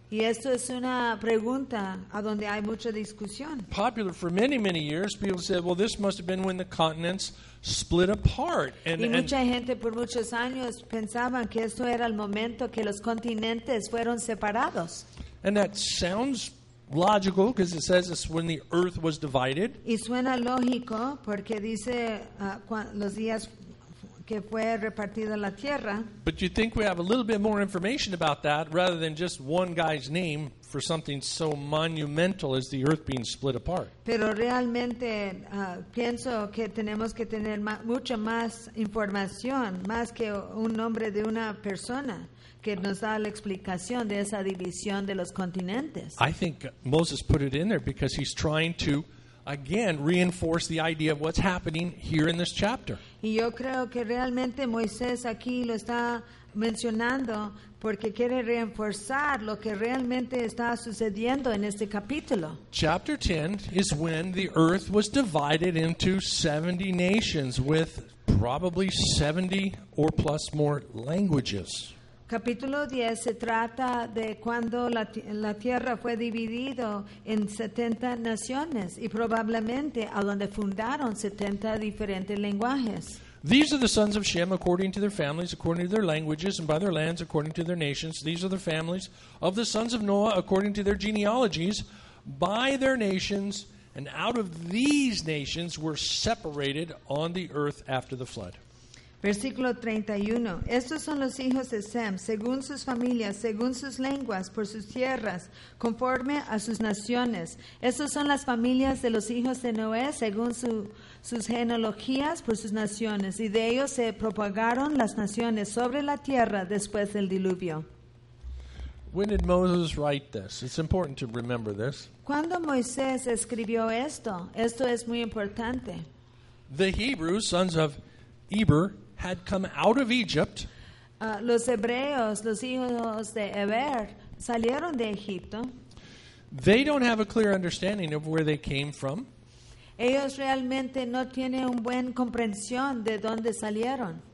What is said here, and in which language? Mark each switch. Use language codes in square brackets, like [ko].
[es] Y esto es una pregunta a donde hay mucha discusión. [en] Popular for many, many years, people said, well, this must have been when the continents split apart. [es] And, y mucha gente por muchos años pensaban que esto era el momento que los continentes fueron separados. [en] And that sounds logical because it says it's when the earth was divided. [es] Y suena lógico porque dice los días que fue repartida la tierra. [en] But you think we have a little bit more information about that rather than just one guy's name for something so monumental as the earth being split apart. [es] Pero realmente pienso que tenemos que tener mucha más información, más que un nombre de una persona que nos da la explicación de esa división de los continentes. [en] I think Moses put it in there because he's trying to again reinforce the idea of what's happening here in this chapter. [es] Y yo creo que realmente Moisés aquí lo está mencionando porque quiere reforzar lo que realmente está sucediendo en este capítulo. [en] Chapter 10 is when the earth was divided into 70 nations with probably 70 or plus more languages. [es] Capítulo 10 se trata de cuando la tierra fue dividida en 70 naciones y probablemente a donde fundaron 70 diferentes lenguajes. [en] These are the sons of Shem according to their families, according to their languages, and by their lands according to their nations. These are the families of the sons of Noah according to their genealogies, by their nations, and out of these nations were separated on the earth after the flood. [es] Versículo 31. Estos son los hijos de Sem, según sus familias, según sus lenguas, por sus tierras, conforme a sus naciones. Estos son las familias de los hijos de Noé, según sus genealogías, por sus naciones. Y de ellos se propagaron las naciones sobre la tierra después del diluvio. [en] When did Moses write this? It's important to remember this. [es] ¿Cuándo Moisés escribió esto? Esto es muy importante. [en] The Hebrews, sons of Eber, had come out of Egypt. [es] Los hebreos, los hijos de Eber, salieron de Egipto. [en] They don't have a clear understanding of where they came from. [es] Ellos realmente no tienen una buena comprensión de dónde salieron.